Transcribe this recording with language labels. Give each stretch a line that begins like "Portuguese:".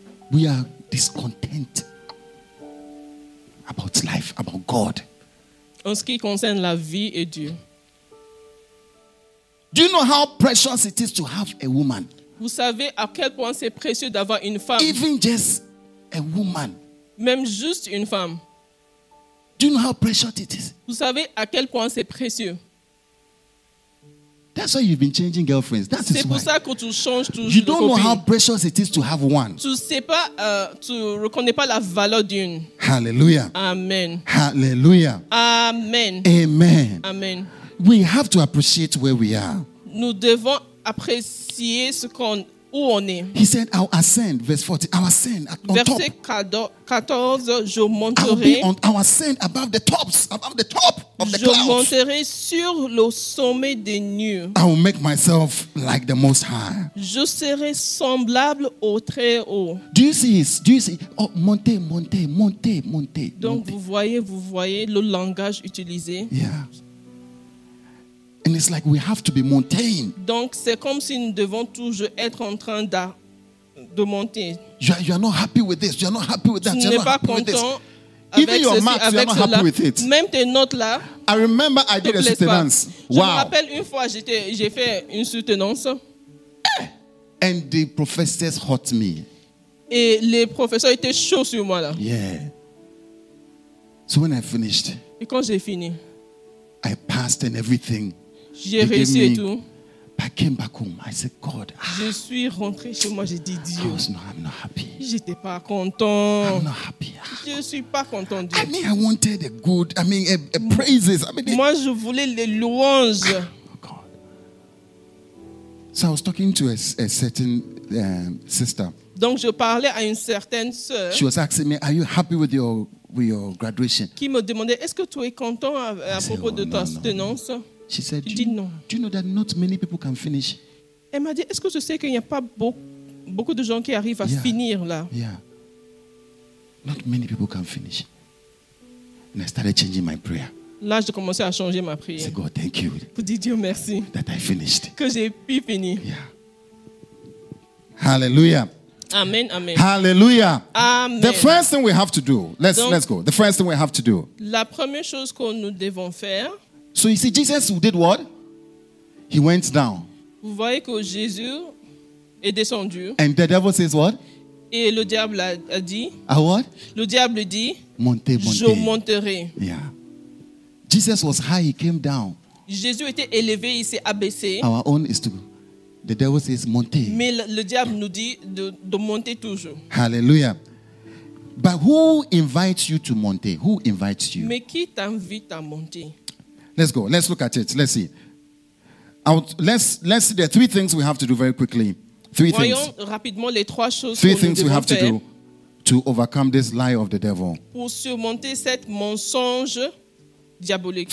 English: We are discontent about life, about God.
French: En ce qui concerne la vie et Dieu.
English: Do you know how precious it is to have a woman?
French: Vous savez à quel point c'est précieux d'avoir une femme.
English: Even just a woman.
French: Même juste une femme.
English: Do you know how precious it is?
French: Vous savez à quel point c'est précieux.
English: That's why you've been changing girlfriends. That
French: c'est
English: is
French: pour
English: why.
French: Ça que tu changes toujours.
English: You don't know how precious it is to have one.
French: Tu sais pas, tu reconnais pas la valeur d'une. Hallelujah. Amen. Hallelujah. Amen. Amen. Amen.
English: We have to appreciate where we are.
French: Nous devons apprécier ce qu'on où on est.
English: He said, "I'll ascend." Verse 40. I'll ascend on
French: verset
English: top.
French: Verset 14. Je monterai.
English: I'll be on. I'll ascend above the tops, above the top of the clouds.
French: Je monterai sur le sommet des nuées.
English: I will make myself like the Most High.
French: Je serai semblable au Très Haut.
English: Do you see? Do you see? Oh,
French: monter, monter, monter, monter. Donc monter. Vous voyez le langage utilisé.
English: Yeah. And it's like we have to be maintained.
French: Donc c'est comme si nous devons toujours être en train de monter.
English: You are not happy with this. You are not happy with that.
French: Tu n'es pas content
English: Even your maths, you're not happy with it.
French: Même tes notes là.
English: I remember I did a soutenance. Wow.
French: Je me rappelle une fois j'ai fait une soutenance.
English: And the professors hurt me.
French: Et les professeurs étaient chauds sur moi là.
English: Yeah. So when I finished.
French: Et quand j'ai fini.
English: I passed and everything.
French: J'ai réussi et tout.
English: I came back home. I said, God.
French: Je suis rentré chez moi. J'ai dit, Dieu.
English: I'm not happy.
French: J'étais pas content.
English: I'm not happy.
French: Je suis pas content. Dieu.
English: I mean, I wanted a good. I mean, a praises. I mean,
French: moi, je voulais les louanges.
English: Oh God. So I was talking to a certain sister.
French: Donc je parlais à une certaine sœur.
English: She was asking me, "Are you happy with your graduation?"
French: Qui me demandait, "Est-ce que tu es content à propos de ta soutenance?"
English: She said, do you know that not many people can finish?
French: Elle m'a dit, est-ce que tu sais qu'il n'y a pas beaucoup de gens qui arrivent à finir là?
English: Yeah. Not many people can finish. And I started changing my prayer.
French: Là, j'ai commencé à changer ma prière.
English: Say, God, thank you.
French: Pour dire Dieu merci.
English: That I finished.
French: Que j'ai pu finir.
English: Yeah. Hallelujah. Amen, amen. Hallelujah. Amen. The first thing we have to do. Let's go. The first thing we have to do.
French: La première chose que nous devons faire.
English: So you see, Jesus did what? He went down.
French: Vous voyez que Jésus est descendu.
English: And the devil says what?
French: Et le diable a dit.
English: A what?
French: Le diable dit. Montez, montez. Je monterai.
English: Yeah. Jesus was high. He came down.
French: Jésus était élevé. Il s'est abaissé.
English: Our own is to. The devil says montez.
French: Mais le diable nous dit de monter toujours. Hallelujah.
English: But who invites you to monter? Who invites you?
French: Mais qui t'invite à monter?
English: Let's go. Let's look at it. Let's see. Let's see. There are three things we have to do very quickly. Three
French: voyons
English: things.
French: Rapidement les trois choses
English: three things
French: nous
English: we have
French: faire.
English: To do to overcome this lie of the devil.
French: Pour surmonter cette mensonge diabolique.